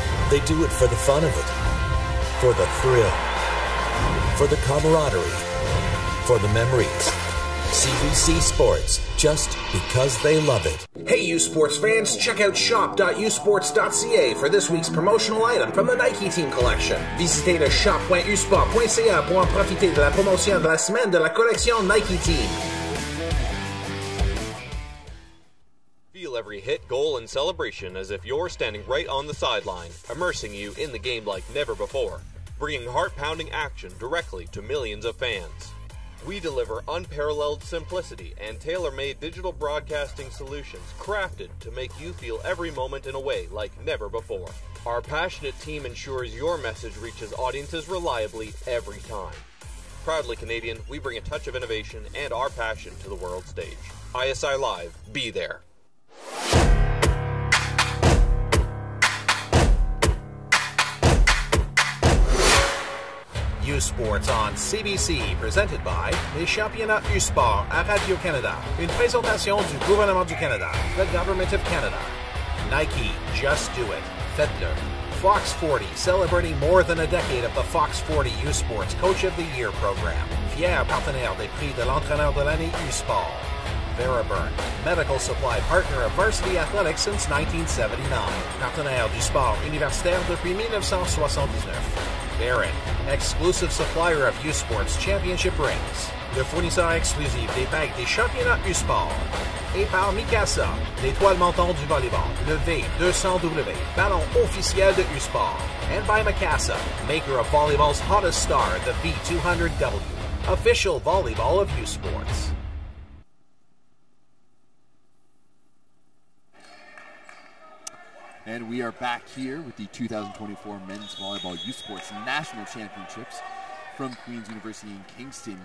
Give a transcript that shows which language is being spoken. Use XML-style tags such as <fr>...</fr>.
<en>They do it for the fun of it, for the thrill, for the camaraderie, for the memories. CBC Sports, just because they love it. Hey, U Sports fans, check out shop.usports.ca for this week's promotional item from the Nike Team Collection.</en> <fr>Visitez le shop.usports.ca pour en profiter de la promotion de la semaine de la collection Nike Team.</fr> <en>Every hit, goal, and celebration as if you're standing right on the sideline, immersing you in the game like never before, bringing heart-pounding action directly to millions of fans. We deliver unparalleled simplicity and tailor-made digital broadcasting solutions crafted to make you feel every moment in a way like never before. Our passionate team ensures your message reaches audiences reliably every time. Proudly Canadian, we bring a touch of innovation and our passion to the world stage. ISI Live, be there. U Sports on CBC, presented by</en> <fr>Les Championnats U Sport à Radio-Canada. Une présentation du gouvernement du Canada,</fr> <en>the Government of Canada. Nike, just do it.</en> <fr>Faites-le.</fr> <en>Fox 40, celebrating more than a decade of the Fox 40 U Sports Coach of the Year program.</en> <fr>Fier partenaire des prix de l'entraîneur de l'année U Sport.</fr> <en>Veriburn, medical supply partner of Varsity Athletics since 1979.</en> <fr>Partenaire du sport universitaire depuis 1979.</fr> <en>Barron, exclusive supplier of U Sports Championship rings.</en> <fr>le fournisseur exclusif des packs des championnats U-Sport. Et par Mikasa, l'étoile montante du volleyball, le V200W, ballon officiel de U-Sport.</fr> <en>And by Mikasa, maker of volleyball's hottest star, the V200W, official volleyball of U-Sports. And we are back here with the 2024 Men's Volleyball U Sports National Championships from Queen's University in Kingston.</en>